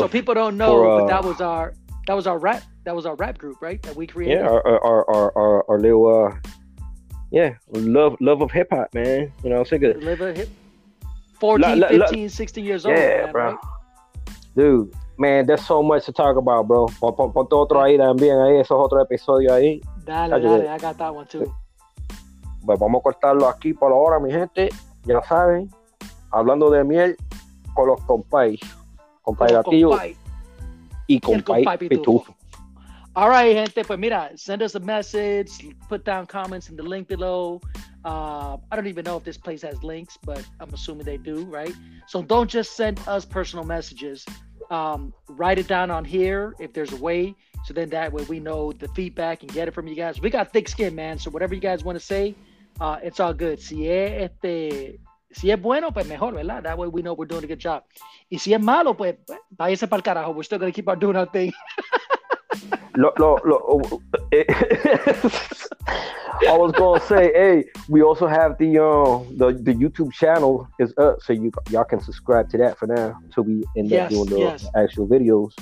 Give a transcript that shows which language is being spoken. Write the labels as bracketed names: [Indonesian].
[English] So people don't know, but that was our rap. That was our rap group, right? That we created. Yeah, our little love of hip hop, man. You know, say good. Live a hip 14, 15, 16 years old. Yeah, man, bro. Right? Dude, man, there's so much to talk about, bro. [Spanish] Ponte otro ahí también, ahí esos otro episodio ahí. [English] Dale, I got that one too. [Spanish] Pues vamos a cortarlo aquí por ahora, mi gente. Ya saben, hablando de miel con los compais. Compay gatillo. Y compay pitufo. [English] All right, [Spanish] gente, pues mira, [English] send us a message, put down comments in the link below. I don't even know if this place has links, but I'm assuming they do, right? So don't just send us personal messages. Write it down on here if there's a way, so then that way we know the feedback and get it from you guys. We got thick skin, man, so whatever you guys want to say, it's all good. [Spanish] Si es bueno, pues mejor, ¿verdad? [English] That way we know we're doing a good job. [Spanish] Y si es malo, pues váyase para el carajo. [English] We're still going to keep on doing our thing. I was gonna say, hey, we also have the YouTube channel is up, so y'all can subscribe to that for now until we end up doing the actual videos.